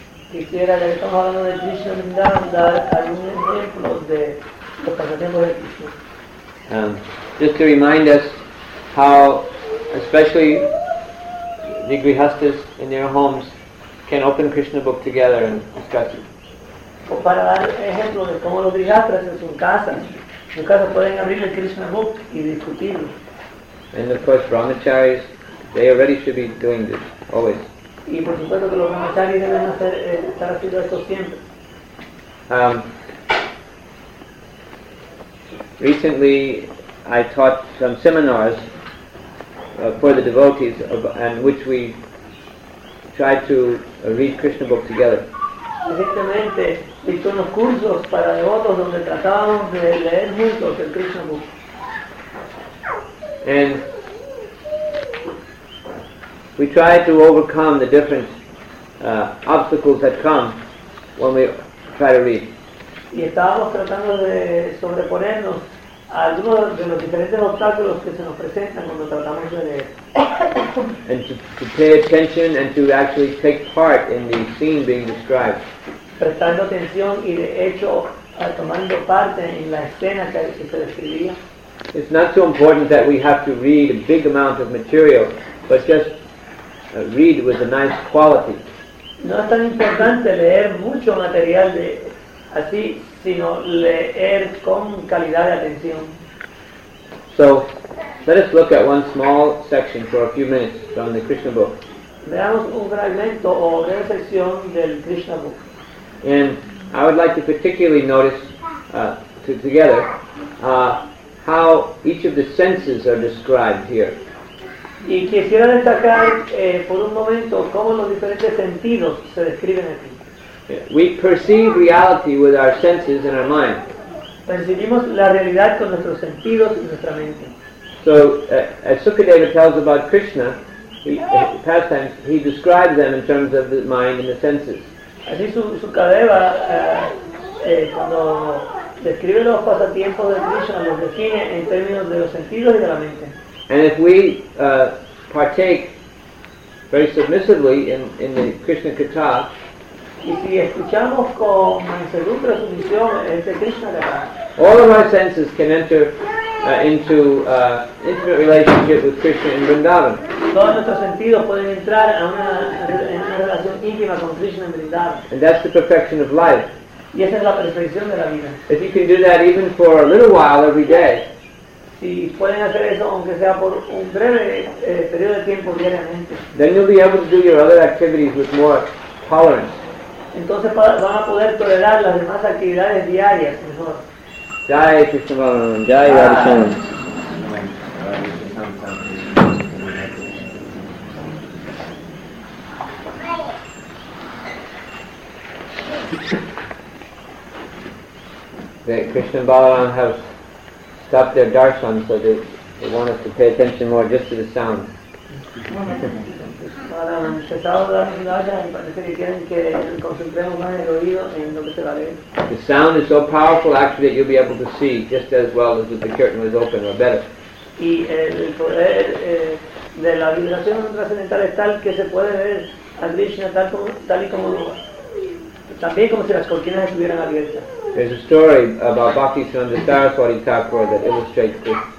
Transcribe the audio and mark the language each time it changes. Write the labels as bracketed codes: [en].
[en] Just to remind us how especially the grihasthas in their homes can open Krishna book together and discuss it. [es] Para dar ejemplo de cómo los grihasthas en su casa pueden abrir el Krishna book y discutirlo. [en] And of course, brahmacharis, they already should be doing this, always. [es] Y por supuesto que los brahmacharis deben estar haciendo esto siempre. [en] Recently, I taught some seminars for the devotees, and which we tried to read Krishna book together. [es] Recientemente, hice unos cursos para devotos donde tratábamos de leer juntos el Krishna book. [en] And we try to overcome the different obstacles that come when we try to read. [es] Y estábamos tratando de sobreponernos algunos de los diferentes obstáculos que se nos presentan cuando tratamos de leer. [en] And to pay attention and to actually take part in the scene being described. [es] Prestando atención y de hecho tomando parte en la escena que se describía. [en] It's not so important that we have to read a big amount of material, but just read with a nice quality. [es] No es tan importante leer mucho material de así, sino leer con calidad de atención. [en] So, let us look at one small section for a few minutes from the Krishna book. [es] Veamos un fragmento o una sección del Krishna book. [en] And I would like to particularly notice together how each of the senses are described here. [es] Y quisiera destacar por un momento cómo los diferentes sentidos se describen aquí. [en] We perceive reality with our senses and our mind. [es] Percibimos la realidad con nuestros sentidos y nuestra mente. [en] So, as Sukadeva tells about Krishna, he describes them in terms of the mind and the senses. [es] Así Sukadeva, cuando describe los pasatiempos de Krishna, los define en términos de los sentidos y de la mente. [en] And if we partake very submissively in the Krishna Katha, [es] y si escuchamos con mansedumbre sumisión este Krishna Katha, [en] all of our senses can enter into intimate relationship with Krishna in Vrindavan. [es] Todos nuestros sentidos pueden entrar en una relación íntima con Krishna en Vrindavan. [en] And that's the perfection of life. [es] Y esa es la perfección de la vida. [en] If you can do that even for a little while every day, [es] si pueden hacer eso aunque sea por un breve periodo de tiempo diariamente, [en] then you'll be able to do your other activities with more tolerance. [es] Entonces van a poder tolerar las demás actividades diarias mejor. [en] Jai Krishna Balaram, Jai Radhakrishnan. Krishna Balaram have stop their darshan, so they want us to pay attention more just to the sound. The sound is so powerful, actually, that you'll be able to see just as well as if the curtain was open, or better. [es] Y el poder de la vibración trascendental es tal que se puede ver a Krishna tal y como también como si las cortinas estuvieran abiertas. [en] There's a story about Bhakti Sananda Saraswati Thakur that illustrates this.